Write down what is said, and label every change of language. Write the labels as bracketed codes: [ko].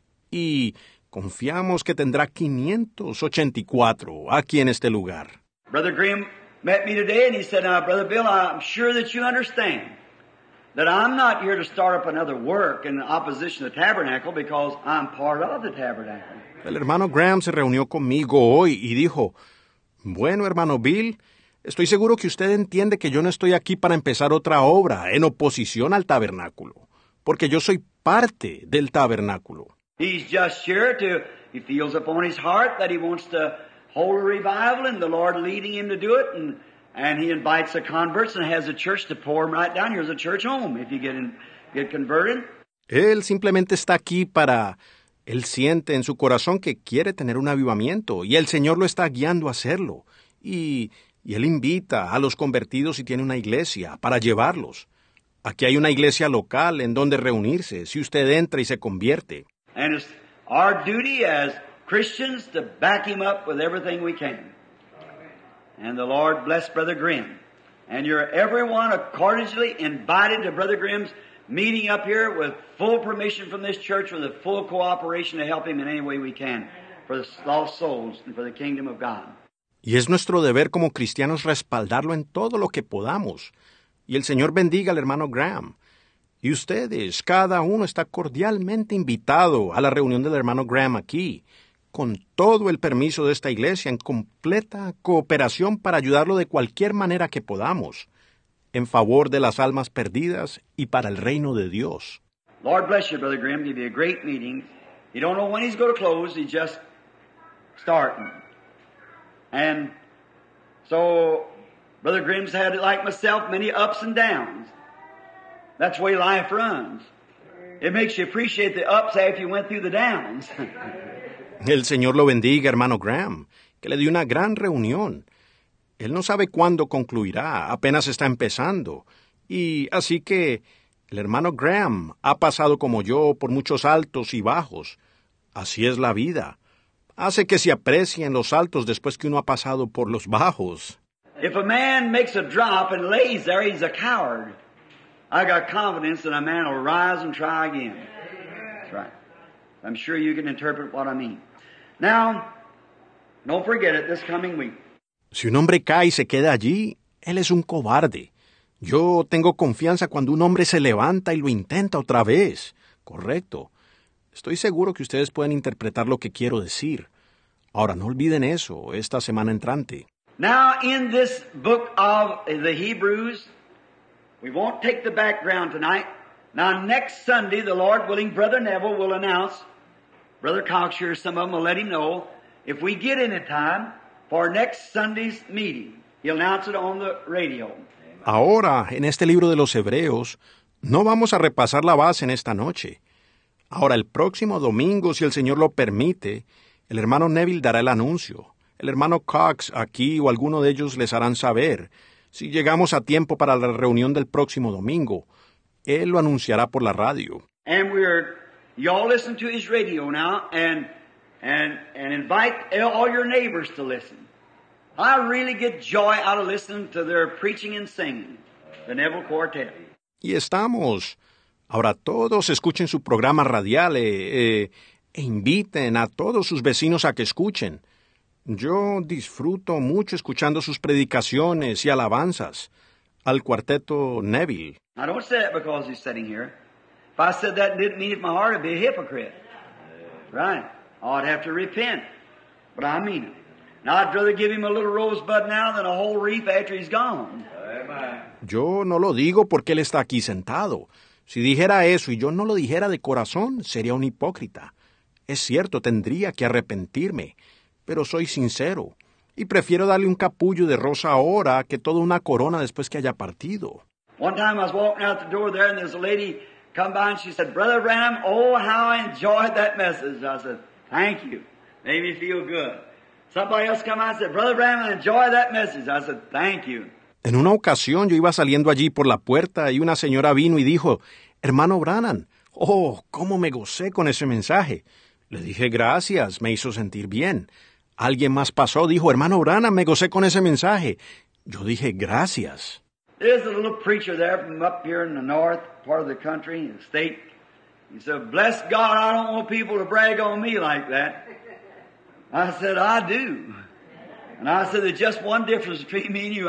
[es] Y confiamos que tendrá 584 aquí en este lugar. [en] Brother Graham met me today and he said, now, Brother Bill, I'm sure that you understand that I'm not here to start up another work in opposition to the tabernacle because I'm part of the tabernacle. [es] El hermano Graham se reunió conmigo hoy y dijo, bueno, hermano Bill, estoy seguro que usted entiende que yo no estoy aquí para empezar otra obra en oposición al tabernáculo, porque yo soy parte del tabernáculo. [en] He's just here to, he feels upon his heart that he wants to hold a revival and the Lord leading him to do it, and he invites the converts and has a church to pour him right down. Here's a church home if you get converted. [es] Él simplemente está aquí para, él siente en su corazón que quiere tener un avivamiento y el Señor lo está guiando a hacerlo. Y él invita a los convertidos y tiene una iglesia para llevarlos. Aquí hay una iglesia local en donde reunirse si usted entra y se convierte. [en] And it's our duty as Christians to back him up with everything we can. And the Lord bless Brother Grimm. And you're everyone accordingly invited to Brother Grimm's meeting up here with full permission from this church with the full cooperation to help him in any way we can for the lost souls and for the kingdom of God. [es] Y es nuestro deber como cristianos respaldarlo en todo lo que podamos. Y el Señor bendiga al hermano Graham. Y ustedes, cada uno está cordialmente invitado a la reunión del hermano Graham aquí, con todo el permiso de esta iglesia, en completa cooperación para ayudarlo de cualquier manera que podamos, en favor de las almas perdidas y para el reino de Dios. [en] Lord bless you, Brother Graham. Give you a great meeting. You don't know when he's going to close. He's just starting. And so, Brother Grimm's had, like myself, many ups and downs. That's the way life runs. It makes you appreciate the ups after you went through the downs. [es] El Señor lo bendiga, hermano Graham, que le dio una gran reunión. Él no sabe cuándo concluirá, apenas está empezando. Y así que el hermano Graham ha pasado como yo por muchos altos y bajos. Así es la vida. Hace que se aprecien los altos después que uno ha pasado por los bajos. [en] If a man makes a drop and lays there, he's a coward. I got confidence that a man will rise and try again. That's right. I'm sure you can interpret what I mean. Now, don't forget it, this coming week. [es] Si un hombre cae y se queda allí, él es un cobarde. Yo tengo confianza cuando un hombre se levanta y lo intenta otra vez. Correcto. Estoy seguro que ustedes pueden interpretar lo que quiero decir. Ahora, no olviden eso, esta semana entrante. [en] Now, in this book of the Hebrews, we won't take the background tonight. Now, next Sunday, the Lord willing, Brother Neville will announce, Brother Cocksure, some of them will let him know, if we get in time for next Sunday's meeting, he'll announce it on the radio. [es] Ahora, en este libro de los Hebreos, no vamos a repasar la base en esta noche. Ahora, el próximo domingo, si el Señor lo permite, el hermano Neville dará el anuncio. El hermano Cox aquí o alguno de ellos les harán saber. Si llegamos a tiempo para la reunión del próximo domingo, él lo anunciará por la radio. [en] And we're, y'all listen to his radio now, and invite all your neighbors to listen. I really get joy out of listening to their preaching and singing, the Neville Quartet. [es] Y estamos Ahora todos escuchen su programa radial e inviten a todos sus vecinos a que escuchen. Yo disfruto mucho escuchando sus predicaciones y alabanzas al cuarteto Neville. [en] Now don't say that because he's sitting here. If I said that and didn't mean it in my heart, I'd be a hypocrite. Right. I'd have to repent. But I mean it. Now I'd rather give him a little rosebud now than a whole reef after he's gone. Amen. [es] Yo no lo digo porque él está aquí sentado. Si dijera eso y yo no lo dijera de corazón, sería un hipócrita. Es cierto, tendría que arrepentirme, pero soy sincero y prefiero darle un capullo de rosa ahora que toda una corona después que haya partido. [en] One time I was walking out the door there and there's a lady come by and she said, "Brother Branham, oh how I enjoyed that message." I said, "Thank you. Made me feel good." Somebody else come out and said, "Brother Branham, I enjoyed that message." I said, "Thank you." [es] En una ocasión yo iba saliendo allí por la puerta y una señora vino y dijo, "Hermano Branham, oh, cómo me gocé con ese mensaje." Le dije, "Gracias, me hizo sentir bien." Alguien más pasó, dijo, "Hermano Branham, me gocé con ese mensaje." Yo dije, "Gracias." [en] There's a little preacher there from up here in the north part of the country, in the state. He said, "Bless God, I don't want people to brag on me like that." I said, "I do." And I said, "There's just one difference between me and you.